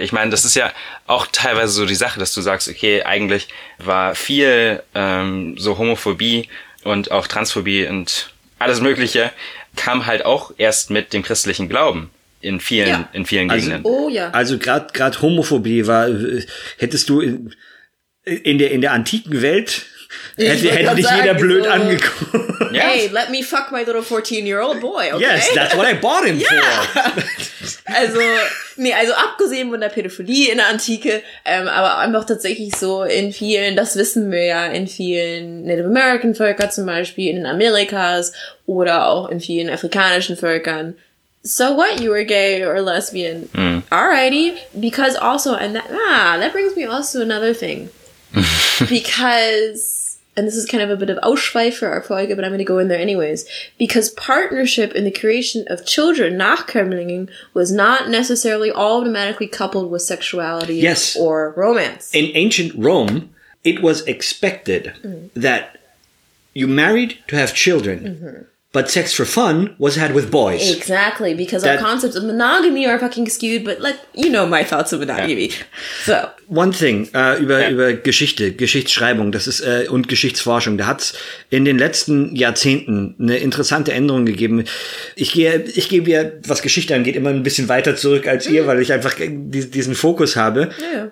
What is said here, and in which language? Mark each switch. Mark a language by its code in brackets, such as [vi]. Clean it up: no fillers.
[de] Ich meine, das ist ja auch teilweise so die Sache, dass du sagst, okay, eigentlich war viel so Homophobie und auch Transphobie und alles Mögliche kam halt auch erst mit dem christlichen Glauben. In vielen Gegenden. Also gerade Homophobie war, hättest du in der antiken Welt, hätte dich jeder blöd angeguckt. [en] Yes. Hey, let me fuck my little 14-year-old boy, okay? Yes, that's what I bought him for. [de] Also abgesehen von der Pädophilie in der Antike, aber einfach tatsächlich so in vielen, das wissen wir ja, in vielen Native American Völkern zum Beispiel, in den Amerikas oder auch in vielen afrikanischen Völkern. [en] So what, you were gay or lesbian? Alrighty. Because also, and that brings me also to another thing. Because, and this is kind of a bit of Ausschweif for our Folge, but I'm going to go in there anyways. Because partnership in the creation of children, Nachkömmlingen, was not necessarily automatically coupled with sexuality or romance. In ancient Rome, it was expected that you married to have children. Mm-hmm. But sex for fun was had with boys. Exactly, because our concepts of monogamy are fucking skewed, but like, you know my thoughts of monogamy. Yeah. So. One thing, [de] über Geschichte, Geschichtsschreibung, das ist, und Geschichtsforschung, da hat's in den letzten Jahrzehnten eine interessante Änderung gegeben. Ich gehe ja, was Geschichte angeht, immer ein bisschen weiter zurück als ihr, weil ich einfach diesen Fokus habe. [en] Yeah.